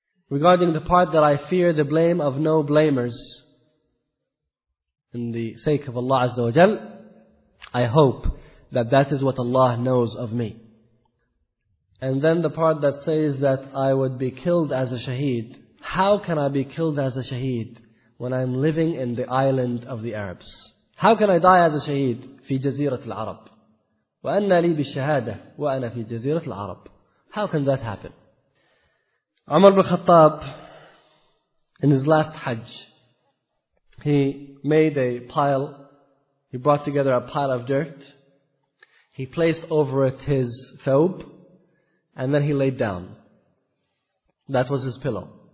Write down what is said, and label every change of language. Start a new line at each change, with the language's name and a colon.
English: Regarding the part that I fear the blame of no blamers, in the sake of Allah Azza wa Jal, I hope that that is what Allah knows of me. And then the part that says that I would be killed as a shaheed, how can I be killed as a shaheed when I'm living in the island of the Arabs? How can I die as a shaheed?
Arabic: في جزيرة العرب. وأنا لي بالشهادة وأنا في جزيرة العرب.
English: How can that happen? Umar ibn Khattab, in his last Hajj, he made a pile, he brought together a pile of dirt, he placed over it his thawb, and then he laid down. That was his pillow.